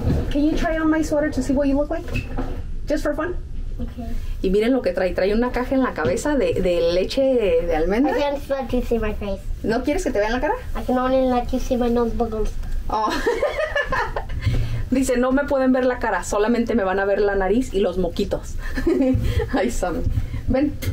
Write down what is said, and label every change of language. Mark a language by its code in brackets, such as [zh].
[en] Can you try on my sweater to see what you look like? Just for fun. Okay. [es] Y miren lo que trae. Trae una caja en la cabeza de leche de almendra. [en] I can't let you see my face. [es] ¿No quieres que te vean la cara? [en] I can only let you see my nose bubbles. Oh. [es] Dice, no me pueden ver la cara. Solamente me van a ver la nariz y los moquitos. Ay, Sam. Ven.